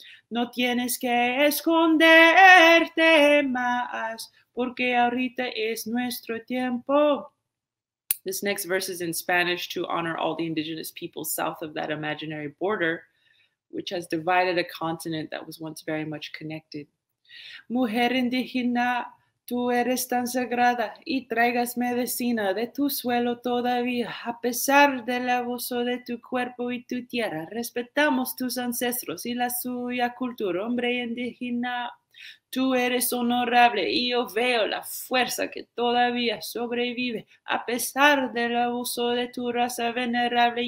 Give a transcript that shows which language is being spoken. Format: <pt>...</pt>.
<es>No tienes que esconderte más, porque ahorita es nuestro tiempo.</es> <en>This next verse is in Spanish to honor all the indigenous peoples south of that imaginary border, which has divided a continent that was once very much connected.</en> <es>Mujer indígena, tú eres tan sagrada y traigas medicina de tu suelo todavía, a pesar del abuso de tu cuerpo y tu tierra. Respetamos tus ancestros y la suya cultura, hombre indígena. Tú eres honorable y yo veo la fuerza que todavía sobrevive, a pesar del abuso de tu raza venerable.</es>